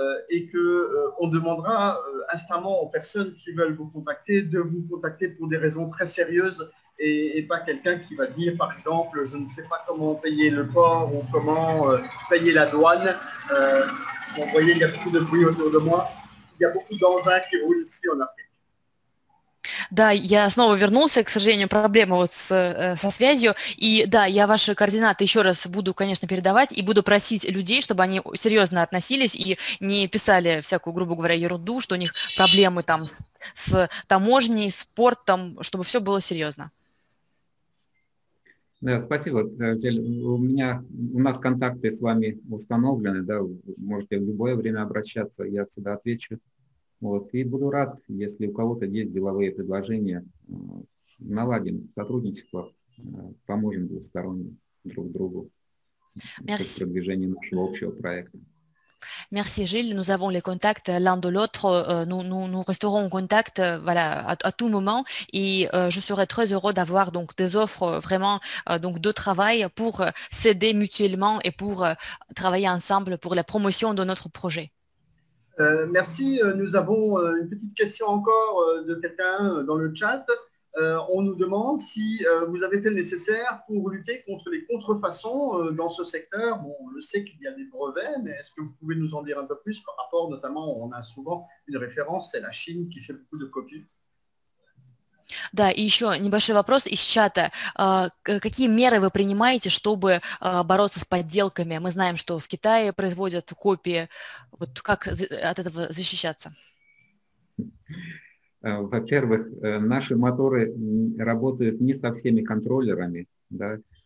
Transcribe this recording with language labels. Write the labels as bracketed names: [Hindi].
[French] Et que on demandera instamment aux personnes qui veulent vous contacter de vous contacter pour des raisons très sérieuses et pas quelqu'un qui va dire par exemple je ne sais pas comment payer le port ou comment payer la douane. Vous voyez, il y a beaucoup de bruit autour de moi, il y a beaucoup d'engins qui roulent ici en Afrique. [Russian] Да, я снова вернулся, к сожалению, проблема вот со связью. И да, я ваши координаты еще раз буду, конечно, передавать и буду просить людей, чтобы они серьезно относились и не писали всякую, грубо говоря, ерунду, что у них проблемы там с таможней, с портом, чтобы все было серьезно. Да, спасибо. У нас контакты с вами установлены, да, можете в любое время обращаться, я всегда отвечу. Вот, и буду рад, если у кого-то есть деловые предложения, наладим сотрудничество, поможем двусторонним друг другу в продвижении нашего общего проекта. [French] Merci Gilles, nous avons les contacts l'un de l'autre, nous resterons en contact voilà, à tout moment et je serai très heureux d'avoir donc, des offres vraiment donc, de travail pour s'aider mutuellement et pour travailler ensemble pour la promotion de notre projet. Merci, nous avons une petite question encore de quelqu'un dans le chat. On nous demande si vous avez fait le nécessaire pour lutter contre les contrefaçons dans ce secteur. Bon, on le sait qu'il y a des brevets, mais est-ce que vous pouvez nous en dire un peu plus par rapport, notamment, on a souvent une référence, c'est la Chine qui fait beaucoup de copies. [Russian] Да, и еще небольшой вопрос из чата. Какие меры вы принимаете, чтобы бороться с подделками? Мы знаем, что в Китае производят копии. Вот как от этого защищаться? Во-первых, наши моторы работают не со всеми контроллерами. Да?